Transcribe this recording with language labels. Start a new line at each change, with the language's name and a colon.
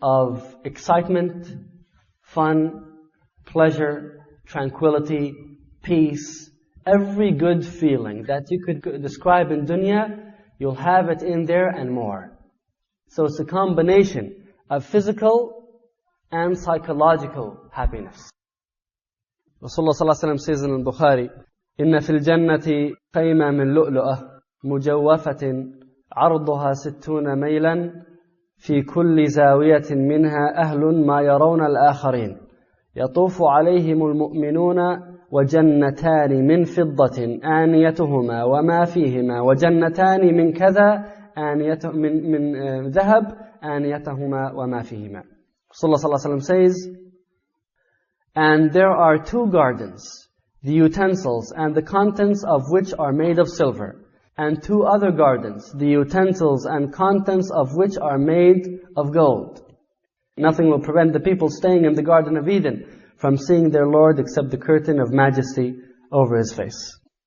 English: of excitement, fun, pleasure, tranquility, peace, every good feeling that you could describe in dunya, you'll have it in there and more. So it's a combination of physical and psychological happiness. Rasulullah sallallahu alaihi wasallam says in Bukhari,
Arabic: إِنَّ فِي الْجَنَّةِ قَيْمَ مِنْ لُؤْلُؤَةٍ مُجَوَّفَةٍ عَرْضُهَا سِتُّونَ مَيْلًا فِي كُلِّ زَاوِيَةٍ مِنْهَا أَهْلٌ مَا يَرَوْنَ الْآخَرِينَ يَطُوفُ عَلَيْهِمُ الْمُؤْمِنُونَ وَجَنَّتَانِ مِنْ فِضَّةٍ آنِيَتُهُمَا وَمَا فِيهِمَا وَجَنَّتَانِ مِنْ كَذَا آنِيَتُهُمَا مِنْ ذَهَبٍ آنِيَتُهُمَا وَمَا فِيهِمَا.
English: Rasulullah sallallahu alaihi wasallam says, and there are two gardens, the utensils and the contents of which are made of silver, and two other gardens, the utensils and contents of which are made of gold. Nothing will prevent the people staying in the Garden of Eden from seeing their Lord except the curtain of majesty over His face.